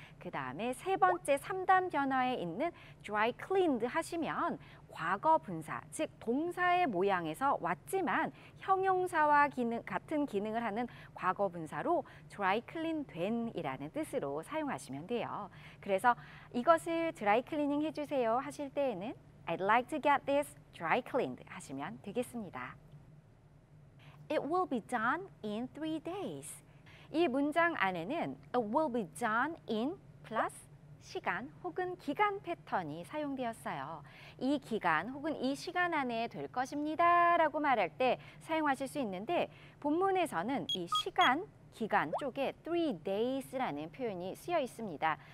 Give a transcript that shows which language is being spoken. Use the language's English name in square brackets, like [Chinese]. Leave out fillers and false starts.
[Korean] 그 다음에 세 번째 3단 변화에 있는 dry cleaned 하시면 과거 분사, 즉 동사의 모양에서 왔지만 형용사와 같은 기능을 하는 과거 분사로 dry clean 된 이라는 뜻으로 사용하시면 돼요. 그래서 이것을 dry cleaning 해주세요 하실 때에는 [English] I'd like to get this dry cleaned [Korean] 하시면 되겠습니다. [English] It will be done in 3 days. [Korean] 이 문장 안에는 [English] It will be done in [Korean] plus 시간 혹은 기간 패턴이 사용되었어요. 이 기간 혹은 이 시간 안에 될 것입니다 라고 말할 때 사용하실 수 있는데 본문에서는 이 시간, 기간 쪽에 3 days라는 표현이 쓰여 있습니다.